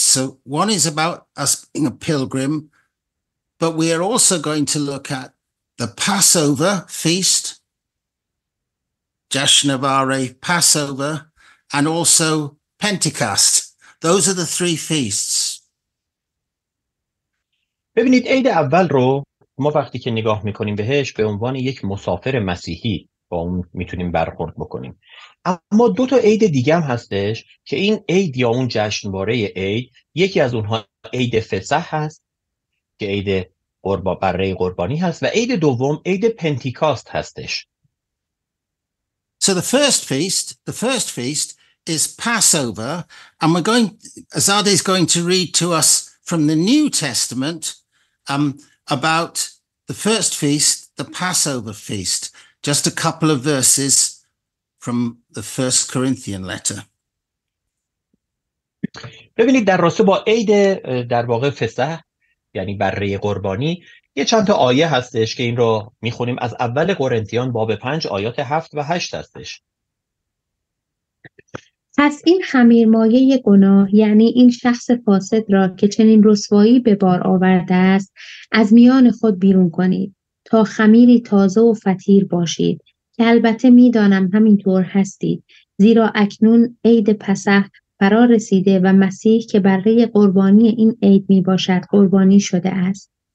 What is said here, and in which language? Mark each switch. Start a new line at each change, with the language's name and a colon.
English: So one is about us being a pilgrim, but we are also going to look at the Passover feast, Jashn of Are, Passover, and also Pentecost. Those are the three feasts.
Persian: ببینید عید اول رو ما وقتی که نگاه میکنیم بهش به عنوان یک مسافر مسیحی با اون میتونیم برخورد بکنیم. اما دو تا عید دیگه هم هستش که این عید یا اون جشنواره عید یکی از اونها عید فصح هست که عید بره قربانی هست و عید دوم عید پنتیکاست هستش.
English: So the first feast is Passover and we're going Azadeh is going to read to us from the New Testament about the first feast, the Passover feast, just a couple of verses from the First Corinthian letter.
Persian: ببینید در راستو با عید در واقع فصح یعنی بره قربانی یه چند تا آیه هستش که این رو میخونیم از اول قرنتیان باب 5 آیات 7 و 8 هستش. پس این خمیرمایه گناه یعنی این شخص فاسد را که چنین رسوایی به بار آورده است از میان خود بیرون کنید تا خمیری تازه و فطیر باشید که البته میدانم همینطور هستید زیرا اکنون عید پسح فرا رسیده و مسیح که بره قربانی این عید می باشد قربانی شده است.